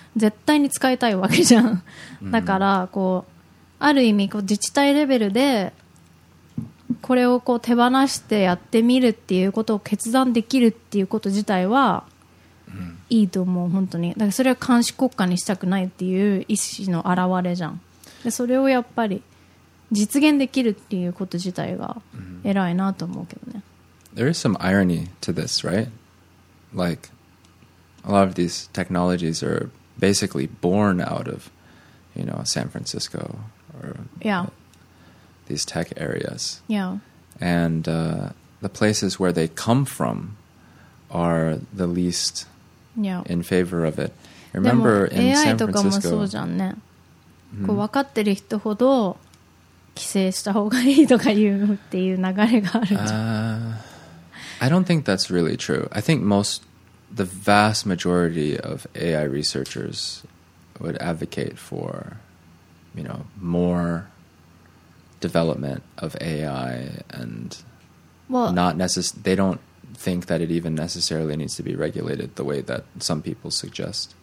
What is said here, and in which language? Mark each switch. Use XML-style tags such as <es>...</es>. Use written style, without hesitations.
<ja>絶対に使いたいわけじゃん。だからこうある意味こう自治体レベルでこれをこう手放してやってみるっていうことを決断できるっていうこと自体は。いいと思う本当に。だからそれは監視国家にしたくないっていう意思の表れじゃん。でそれをやっぱり実現できるっていうこと自体が偉いなと思うけどね。</ja> <en>There is some irony to this, right? Like a lot of these technologies are basically born out of, you know, San Francisco or these tech areas. Yeah. And the places where they come from are the leastin favor of it. Remember in San Francisco.</en> <ja>AI とかもそうじゃんね。こう分かってる人ほど規制した方がいいとかいうっていう流れがあるじゃん。</ja> <en>I don't think that's really true. I think the vast majority of AI researchers would advocate for, you know, more development of AI and they don't think that it even necessarily needs to be regulated the way that some people suggest.</en>